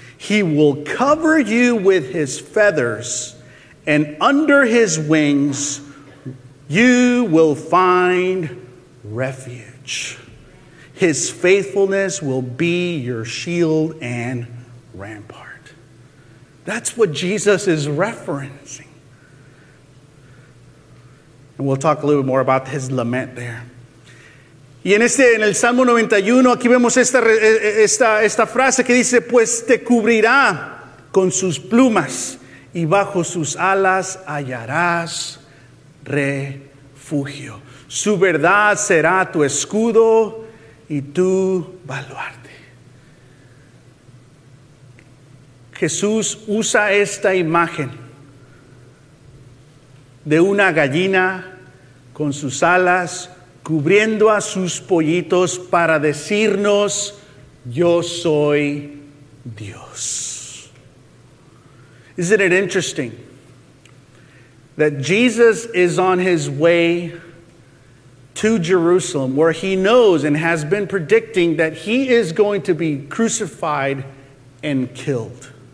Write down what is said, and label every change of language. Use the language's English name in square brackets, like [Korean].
[English] He will cover you with his feathers, and under his wings you will find refuge. His faithfulness will be your shield and rampart. That's what Jesus is referencing. And we'll talk a little bit more about his lament there. [Spanish] Y en este, en el Salmo 91, aquí vemos esta frase que dice, pues te cubrirá con sus plumas y bajo sus alas hallarás refugio. Su verdad será tu escudo y tu baluarte. Jesús usa esta imagen de una gallina con sus alas cubriendo a sus pollitos para decirnos, yo soy Dios. [English] Isn't it interesting that Jesus is on his way to Jerusalem, where he knows and has been predicting that he is going to be crucified and killed.